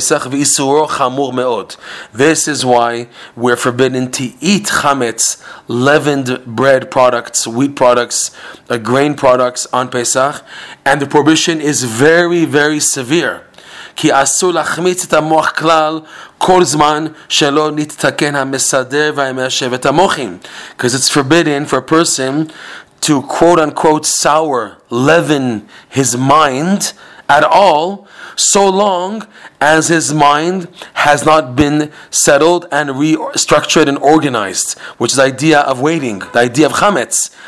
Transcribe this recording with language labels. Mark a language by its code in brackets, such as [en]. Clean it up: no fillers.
[en] This is why we're forbidden to eat chametz, leavened bread products, wheat products, grain products on Pesach. And the prohibition is very, very severe. [he] כי אסור להחמיץ את המוח כלל כל זמן שלא נתתקן המסדר והמיישב את המוחים. [en] Because it's forbidden for a person to quote-unquote sour, leaven his mind at all, so long as his mind has not been settled and restructured and organized, which is the idea of waiting, the idea of chametz.